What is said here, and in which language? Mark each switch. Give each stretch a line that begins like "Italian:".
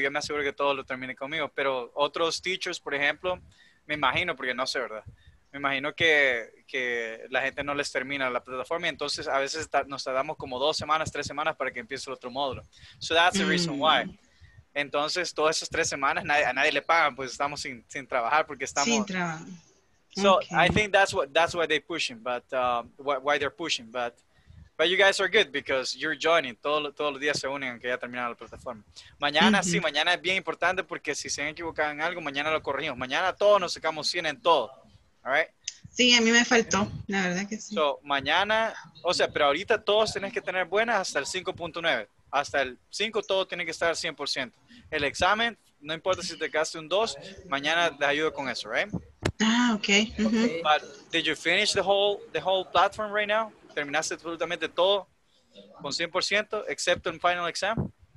Spanish: Yo me aseguro que todo lo termine conmigo. Pero otros teachers, por ejemplo, me imagino, porque no sé, ¿verdad? Me imagino que la gente no les termina la plataforma. Y entonces, a veces nos tardamos como 2 semanas, 3 semanas para que empiece el otro módulo.
English: So that's the reason why.
Spanish: Entonces, todas esas 3 semanas a nadie le pagan, pues estamos sin trabajar porque estamos... Sin trabajo.
English: So, okay. I think that's why they're pushing, but you guys are good because you're joining.
Spanish: Todos los días se unen aunque ya terminaron la plataforma. Mañana, mm-hmm. Sí, mañana es bien importante porque si se han equivocado en algo, mañana lo corregimos. Mañana todos nos sacamos 100 en todo,
English: all right?
Spanish: Sí, a mí me faltó, la verdad que sí. So, mañana, o sea, pero ahorita todos tenés que tener buenas hasta el 5.9. Hasta el 5 todo tiene que estar al 100%. El examen, no importa si te quedaste un 2, mañana te ayudo con eso, right? Ah, okay. Mm-hmm.
English: But did you finish the whole platform right now?
Spanish: ¿Terminaste absolutamente todo con 100%, excepto el final exam?